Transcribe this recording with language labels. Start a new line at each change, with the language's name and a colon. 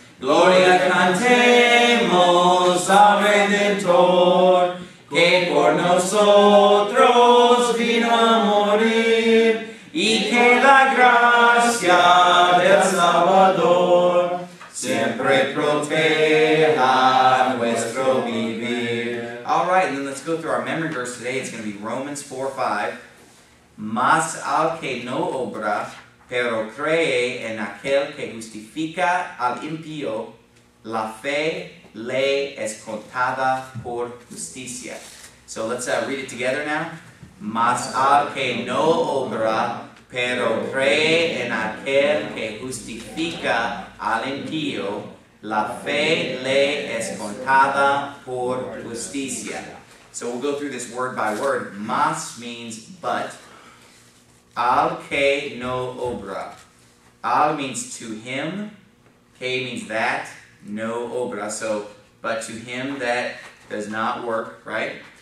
Spanish: Gloria cantemos al Redentor, que por nosotros vino a morir, y que la gracia del Salvador siempre proteja nuestro vivir.
English: All right, and then let's go through our memory verse today. It's going to be Romans 4:5.
Spanish: Más al que no obra, pero cree en aquel que justifica al impío, la fe le es contada por justicia.
English: So let's read it together now.
Spanish: Más al que no obra, pero cree en aquel que justifica al impío, la fe le es contada por justicia.
English: So we'll go through this word by word. Mas means but.
Spanish: Al que no obra.
English: Al means to him. Que means that.
Spanish: No obra.
English: So, but to him that does not work, right?